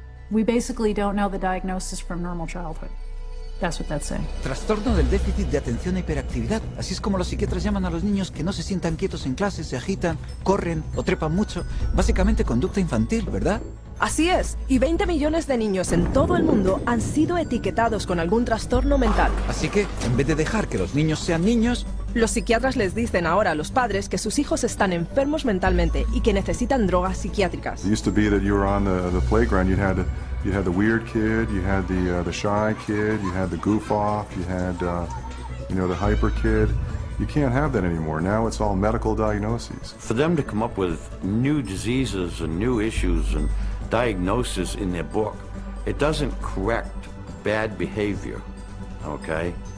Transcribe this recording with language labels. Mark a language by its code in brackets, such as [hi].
[en] We basically don't know the diagnosis from normal childhood. That's what that's saying. [es] Trastorno del déficit de atención e hiperactividad. Así es como los psiquiatras llaman a los niños que no se sientan quietos en clase, se agitan, corren o trepan mucho. Básicamente conducta infantil, ¿verdad? Así es, y 20 millones de niños en todo el mundo han sido etiquetados con algún trastorno mental. Así que, en vez de dejar que los niños sean niños... Los psiquiatras les dicen ahora a los padres que sus hijos están enfermos mentalmente y que necesitan drogas psiquiátricas. [en] It used to be that you were on the playground, you had the weird kid, you had the shy kid, you had the goof off, you had, you know, the hyper kid. You can't have that anymore. Now it's all medical diagnoses. For them to come up with new diseases and new issues and diagnosis in their book, it doesn't correct bad behavior, okay?